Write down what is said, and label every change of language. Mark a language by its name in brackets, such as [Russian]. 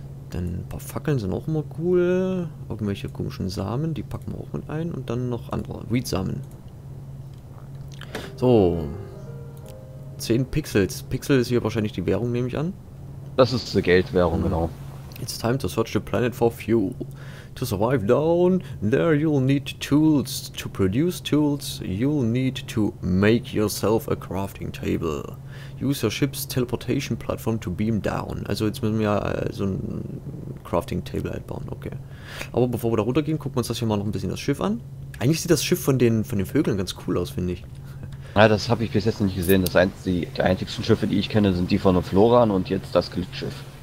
[German] Dann ein paar Fackeln sind auch immer cool. Irgendwelche komischen Samen, die packen wir auch mit ein. Und dann noch andere Weed-Samen. So. 10 Pixels. Pixel ist hier wahrscheinlich die Währung, nehme ich an. Das ist die Geldwährung, genau. [English] It's time to search the planet for fuel. To survive down there you'll need tools. To produce tools you'll need to make yourself a crafting table. Use your ship's teleportation platform to beam down. [German] Also jetzt müssen wir so ein Crafting Table halt bauen, okay. Aber bevor wir da runter gehen, gucken wir uns das hier mal noch ein bisschen das Schiff an. Eigentlich sieht das Schiff von den Vögeln ganz cool aus, finde ich. Ja, das habe ich bis jetzt nicht gesehen. Die einzigsten Schiffe, die ich kenne, sind die von Floran und jetzt das Glitch-Schiff.